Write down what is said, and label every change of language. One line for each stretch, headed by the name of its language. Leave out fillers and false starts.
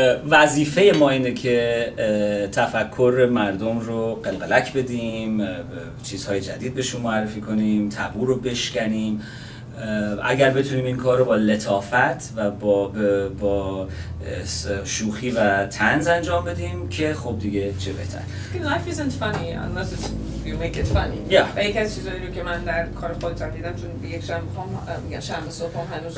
Persian: وظیفه ما اینه که تفکر مردم رو قلقلک بدیم، چیزهای جدید به شما معرفی کنیم، تابو رو بشکنیم. اگر بتونیم این کار رو با لطافت و با شوخی و طنز انجام بدیم که خب دیگه چه بهتر.
English: Life isn't funny unless it's you make it funny. Yeah.
Persian: و یکی از چیزایی رو که من در کار خودم دیدم، چون یک شنبه صبح هم هنوز